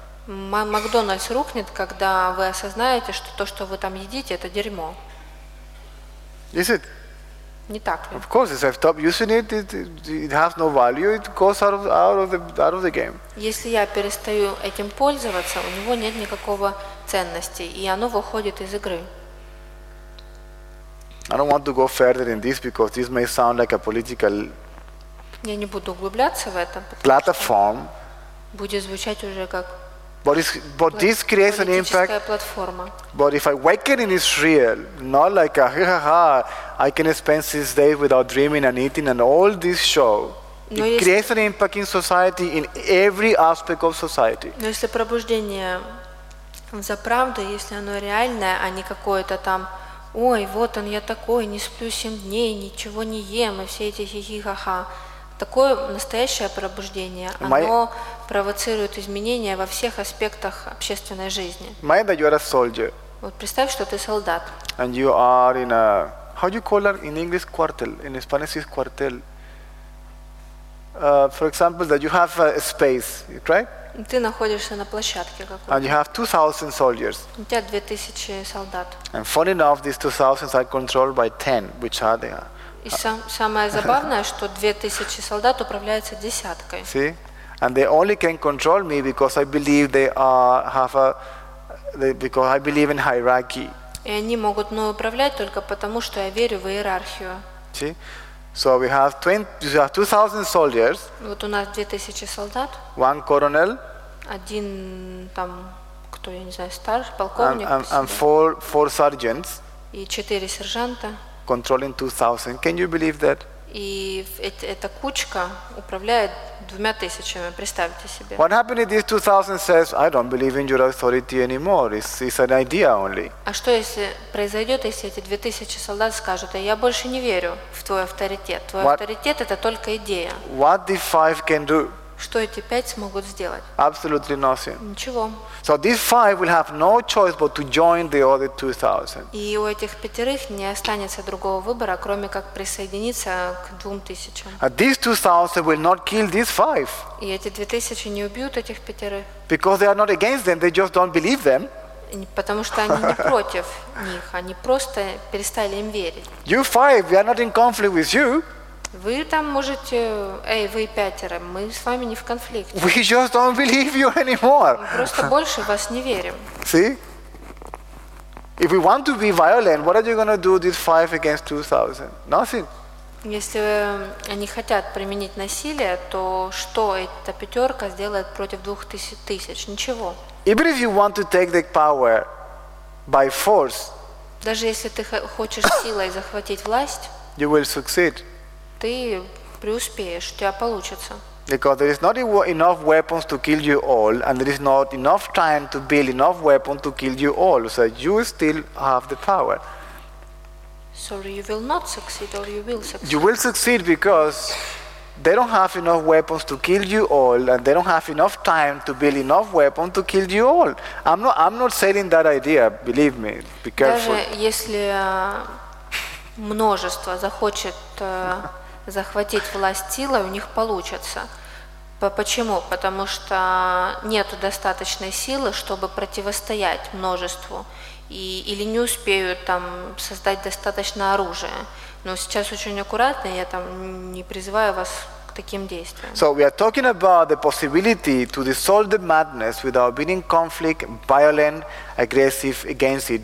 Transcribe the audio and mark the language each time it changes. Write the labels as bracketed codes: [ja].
[ru] McDonald's рухнет, когда вы осознаете, что то, что вы там едите, это дерьмо. [en] Is it? [ru] Не так ли? [en] Of course, if I stop using it, it has no value. It goes out of the game. [ru] Если я перестаю этим пользоваться, у него нет никакого ценности, и оно выходит из игры. [en] I don't want to go further in this because this may sound like a political. [ru] Я не буду углубляться в это. [en] Platform. [ru] Будет звучать уже как. [en] But this creates an impact. [ru] Платформа. [en] But if awakening is real, not like a ha-ha-ha, I can spend 6 days without dreaming and eating and all this show. [ru] Но [en] it creates an impact in society, in every aspect of society. [ru] Но если пробуждение за правду, если оно реальное, а не какое-то там, ой, вот он я такой, не сплю 7 дней, ничего не ем и все эти хи-хи-ха-ха. Такое настоящее пробуждение, оно провоцирует изменения во всех аспектах общественной жизни. [en] Mind that you are a soldier. [ru] Вот представь, что ты солдат. [en] And you are in a, how do you call it in English, quartel? In Spanish is quartel. For example, that you have a space, right? [ru] Ты находишься на площадке какой-то. [en] And you have 2,000 soldiers. [ru] У тебя 2,000 солдат. [en] And funny enough, these 2,000 are controlled by 10, which are the. [ru] И самое забавное, что 2,000 солдат управляются десяткой. [en] See? And they only can control me because I believe they are have a they, because I believe in hierarchy. [ru] И они могут мной управлять только потому, что я верю в иерархию. [en] See? So we have 2,000 soldiers. [ru] Вот у нас 2,000 солдат. [en] One colonel. [ru] Один там, кто я не знаю, старший полковник. [en] And four sergeants. [ru] И 4 сержанта. [en] Controlling 2,000. Can you believe that? [ru] И эта кучка управляет 2,000. Представьте себе. [en] What happened if these 2,000 says, I don't believe in your authority anymore. It's an idea only. [ru] А что если произойдет, если эти 2,000 солдат скажут, я больше не верю в твой авторитет. Твой авторитет это только идея. [en] What the five can do? [ru] Что эти 5 смогут сделать? [en] Absolutely nothing. [ru] Ничего. [en] So these 5 will have no choice but to join the other 2,000. [ru] И у этих 5 не останется другого выбора, кроме как присоединиться к 2,000. [en] And these 2,000 will not kill these 5. [ru] И эти 2,000 не убьют этих 5. [en] Because they are not against them, they just don't believe them. [ru] Потому что они не против них, они просто перестали им верить. [en] You 5, we are not in conflict with you. [ru] Вы там можете, вы 5, мы с вами не в конфликте. [en] We just don't believe you anymore. [ru] Мы просто больше вас не верим. [en] See? If we want to be violent, what are you going to do with 5 against 2,000? Nothing. [ru] Если они хотят применить насилие, то что эта 5 сделает против 2,000? Ничего. [en] Even if you want to take the power by force, [ru] даже если ты хочешь силой захватить власть, [en] you will succeed. [ru] Ты преуспеешь, у тебя получится. [en] Because there is not enough weapons to kill you all, and there is not enough time to build enough weapons to kill you all, so you still have the power. Sorry, you will not succeed, or you will succeed. You will succeed because they don't have enough weapons to kill you all, and they don't have enough time to build enough weapons to kill you all. I'm not selling that idea, believe me. Be careful. [ru] Даже если множество захочет захватить власть силой, у них получится. Почему? Потому что нет достаточной силы, чтобы противостоять множеству. Или не успеют там создать достаточно оружия. Но сейчас очень аккуратно, я там не призываю вас к таким действиям. [en] So we are talking about the possibility to dissolve the madness without being conflict, violent, aggressive against it.